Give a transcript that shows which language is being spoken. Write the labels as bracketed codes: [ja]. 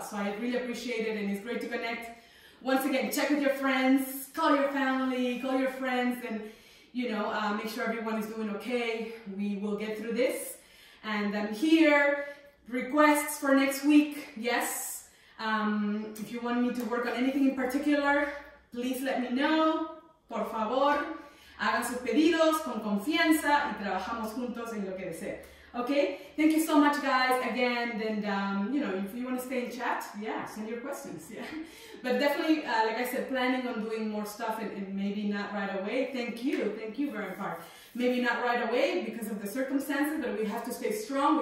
[en] So I really appreciate it, and it's great to connect. Once again, check with your friends, call your family, call your friends, and, you know, make sure everyone is doing okay. We will get through this. And I'm here. Requests for next week, yes. If you want me to work on anything in particular, please let me know. [es] Por favor, hagan sus pedidos con confianza y trabajamos juntos en lo que desee. [en] Okay? Thank you so much, guys, again. And, you know, if you want to stay in chat, yeah, send your questions, yeah. But definitely, like I said, planning on doing more stuff and maybe not right away. Thank you very much. Maybe not right away because of the circumstances, but we have to stay strong.